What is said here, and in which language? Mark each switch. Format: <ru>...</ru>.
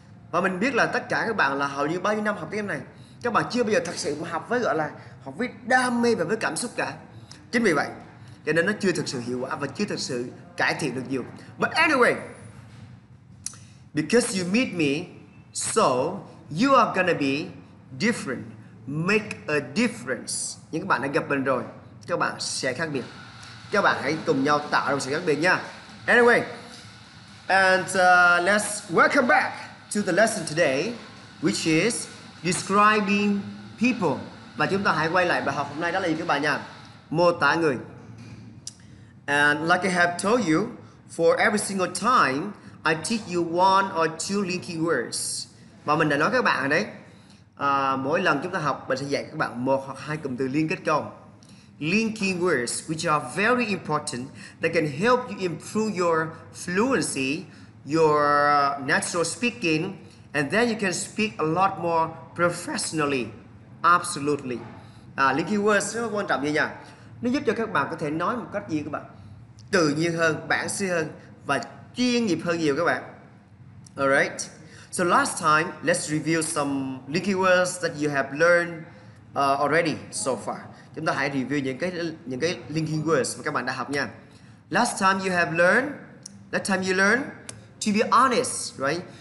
<vi>Và mình biết là tất cả các bạn là hầu như bao nhiêu năm học tiếng này, các bạn chưa bao giờ thật sự mà học với gọi là học với đam mê và với cảm xúc cả. Chính vì vậy, cho nên nó chưa thực sự hiệu quả và chưa thực sự cải thiện được nhiều.</vi> <en>But anyway, because you meet me, so you are gonna be different, make a difference.</en> <vi>Những các bạn đã gặp mình rồi, các bạn sẽ khác biệt. Các bạn hãy cùng nhau tạo ra sự khác biệt nha.</vi> <en>Anyway, and let's welcome back to the lesson today, which is describing people.</en> <vi>Và chúng ta hãy quay lại bài học hôm nay, đó là gì các bạn nha? Mô tả người.</vi> <en>And like I have told you, for every single time, I teach you one or two linky words.</en> <vi>Và mình đã nói các bạn đấy, mỗi lần chúng ta học, mình sẽ dạy các bạn một hoặc hai cụm từ liên kết câu.</vi> <en>Linking words, which are very important, that can help you improve your fluency, your natural speaking, and then you can speak a lot more professionally. Absolutely.</en> <vi>Linking words rất quan trọng như nhỉ? Nó giúp cho các bạn có thể nói một cách gì các bạn? Tự nhiên hơn, bản sĩ hơn và chuyên nghiệp hơn nhiều các bạn.</vi> <en>Alright. So last time, let's review some linky words that you have learned already so far.</en> <vi>Chúng ta hãy review những cái linking words mà các bạn đã học nha.</vi> <en>Last time you learned, to be honest, right?</en>